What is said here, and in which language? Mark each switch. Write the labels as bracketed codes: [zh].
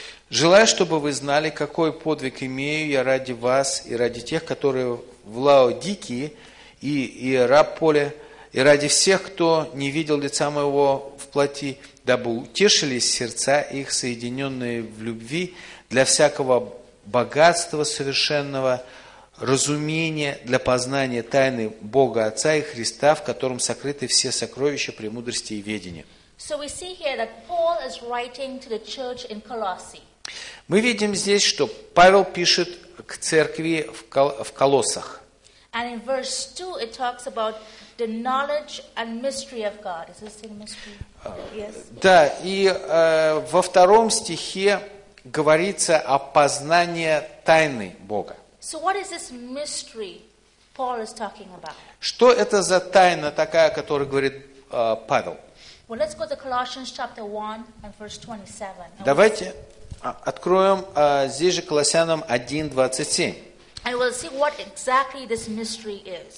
[ru] Желаю, чтобы вы знали, какой подвиг имею я ради вас и ради тех, которые в Лаодикии и Иераполе, и ради всех, кто не видел лица моего в плоти, дабы утешились сердца их, соединенные в любви, для всякого богатства совершенного, разумения для познания тайны Бога Отца и Христа, в котором сокрыты все сокровища премудрости и ведения. [en] So we see here that Paul is writing to the church in Colossae. [ru] Мы видим здесь, что Павел пишет к церкви в Колоссах. [en] And in verse 2 it talks about the knowledge and mystery of God. Is this the mystery? Yes. [ru] Да, и во втором стихе говорится о познании тайны Бога. [en] So what is this mystery Paul is talking about? [ru] Что это за тайна такая, о которой говорит Павел? [en] Well, let's go to Colossians chapter 1 and verse 27. [ru] Давайте откроем здесь же Колоссянам 1:27. [en] And we'll see what exactly this mystery is.